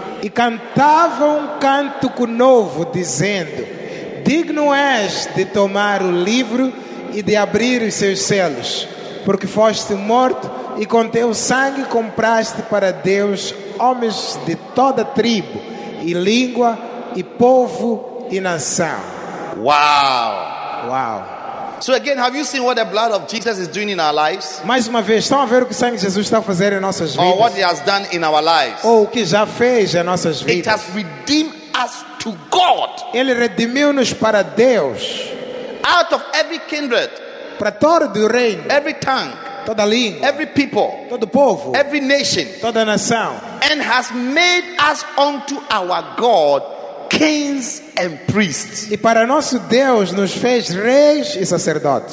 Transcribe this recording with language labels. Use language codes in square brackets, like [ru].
[pt] E cantava canto novo, dizendo: digno és de tomar o livro e de abrir os seus selos, porque foste morto e com teu sangue compraste para Deus homens de toda tribo e língua e povo e nação. [en] Wow. Wow. So again, have you seen what the blood of Jesus is doing in our lives? [pt] Mais uma vez, estão a ver o que o sangue de Jesus está a fazer em nossas vidas? [en] Or what he has done in our lives? [pt] Ou o que já fez em nossas vidas? [en] It has redeemed us to God. [pt] Ele redimiu-nos para Deus. [en] Out of every kindred, [pt] para todo o reino, [en] every tongue, [pt] toda língua, [en] every people, [pt] todo povo, [en] every nation, [pt] toda nação, [en] and has made us unto our God kings and priests. [pt] E para nosso Deus nos fez reis e sacerdotes.